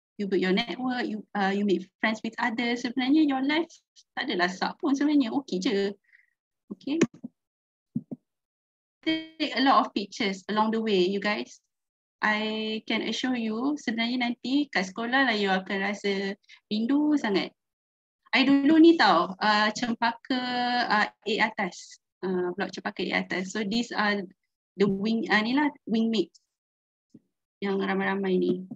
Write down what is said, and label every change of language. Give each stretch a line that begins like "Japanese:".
English: You build your network, you make friends with others.
Malay: Sebenarnya
English: your life
Malay: tak adalah suck pun sebenarnya, okay je.
English: Okay. Take a lot of pictures along the way, you guys. I can assure you,
Malay: sebenarnya nanti kat sekolah lah you akan rasa rindu sangat. I dulu ni tau, Cempaka A atas. Blok Cempaka A atas.
English: So these are the wing,
Malay: ni lah wing mates yang ramai-ramai ni.